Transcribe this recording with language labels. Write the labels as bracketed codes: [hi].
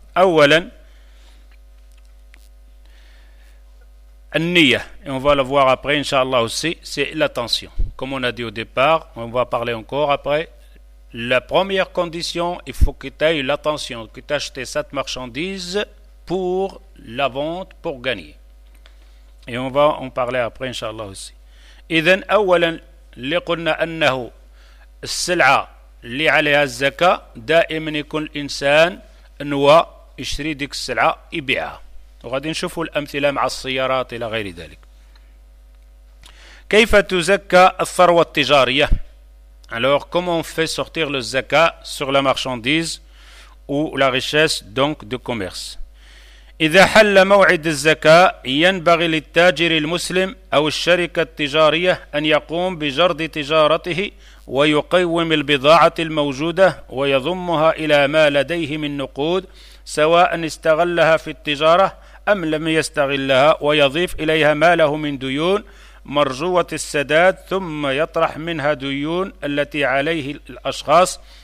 [ar] أولا النية, [fr] et on va le voir après inshallah aussi, c'est l'attention. Comme on a dit au départ, on va parler encore après. La première condition, il faut que tu aies l'attention, que tu achètes cette marchandise pour la vente, pour gagner. Et on va en parler après inshallah aussi. [ar] إذن أولا اللي قلنا أنه السلعة اللي عليها الزكاة دائما يكون الإنسان نوى يشتري ديك السلعة يبيعها, وغادي نشوفوا الأمثلة مع السيارات إلى غير ذلك. كيف تزكى الثروة التجارية؟ [fr] alors comment on fait sortir le zaka sur la marchandise ou la richesse donc de commerce. [ar] إذا حل موعد الزكاة ينبغي للتاجر المسلم أو الشركة التجارية أن يقوم بجرد تجارته ويقوم البضاعة الموجودة ويضمها إلى ما لديه من نقود, سواء استغلها في التجارة أم لم يستغلها, ويضيف إليها ماله من ديون مرجوة السداد, ثم يطرح منها ديون التي عليه الأشخاص